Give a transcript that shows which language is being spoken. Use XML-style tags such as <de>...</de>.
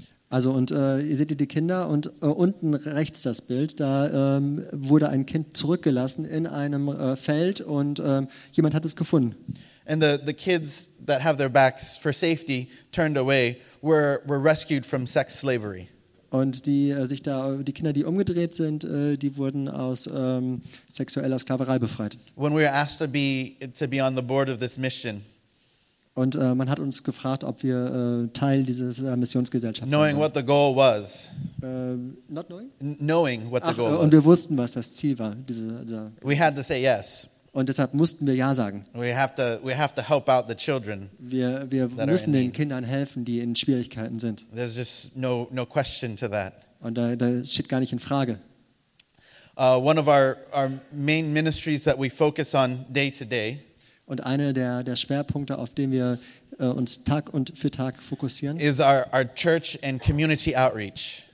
<de>Also und ihr seht hier die Kinder und unten rechts das Bild, da wurde ein Kind zurückgelassen in einem Feld und jemand hat es gefunden.</de> <en>And the kids that have their backs for safety turned away were rescued from sex slavery.</en> <de>Und die sich da die Kinder, die umgedreht sind, die wurden aus sexueller Sklaverei befreit.</de> <en>When we were asked to be on the board of this mission.</en> <de>Und man hat uns gefragt, ob wir Teil dieses Missionsgesellschafts sind.</de> <en>Knowing what the goal was. Not knowing? Knowing what the goal was.</en> <de>Und wir wussten, was das Ziel war. Diese.</de> <en>We had to say yes.</en> <de>Und deshalb mussten wir ja sagen.</de> <en>We have to help out the children.</en> <de>Wir müssen den Kindern helfen, die in Schwierigkeiten sind.</de> <en>There's just no question to that.</en> <de>Und da steht gar nicht in Frage.</de> <en>One of our main ministries that we focus on day to day.</en> <de>Und einer der Schwerpunkte, auf den wir uns Tag und für Tag fokussieren,</de> <en>is our church and community outreach.</en>